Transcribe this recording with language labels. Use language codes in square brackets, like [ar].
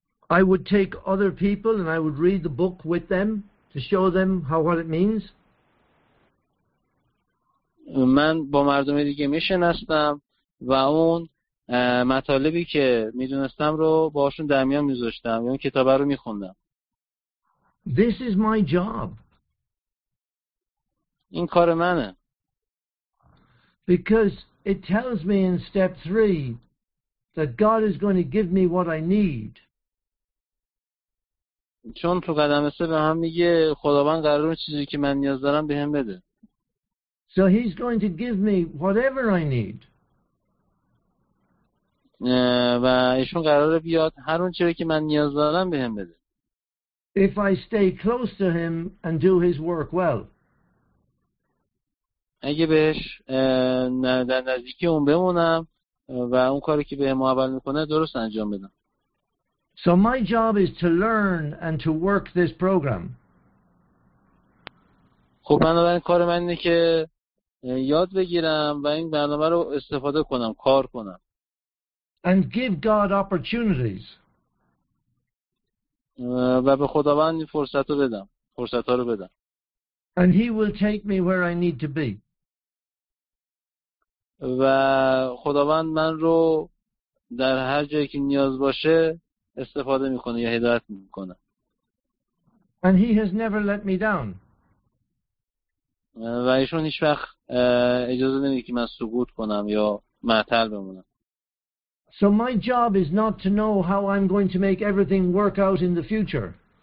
[en] I would take other people and I would read the book with them to show them how what it means. [fa] من با مردم دیگه میشناستم و اون مطالبی که میدونستم رو باهاشون در میان میذاشتم یا اون کتاب رو میخوندم. [en] This is my job. [fa] این کار منه. [en] Because it tells me in step 3 that God is going to give me what I need. [fa] چون تو قدم 3 به هم میگه خداوند قرار اون چیزی که من نیاز دارم به هم بده. [en] So he's going to give me whatever I need. [fa] و ایشون قراره بیاد هر اون چیزی که من نیاز دارم به هم بده. [en] If I stay close to him and do his work well. [fa] اگه بهش در نزدیکی اون بمونم و اون کاری که به معاون میکنه درست انجام بدم. [en] So my job is to learn and to work this program. [fa] خب من الان کار من اینه که یاد بگیرم و این برنامه رو استفاده کنم، کار کنم. [en] And give God opportunities. [fa] و به خداوند فرصت رو بدم، فرصت ها رو بدم. [en] And he will take me where I need to be. [fa] و خداوند من رو در هر جایی که نیاز باشه استفاده میکنه یا هدایت میکنه. [en] And he has never let me down. [fa] و ایشون هیچ وقت اجازه نمیده که من سقوط کنم یا معطل بمونم. [en] So my job is not to know how I'm going to make everything work out in the future.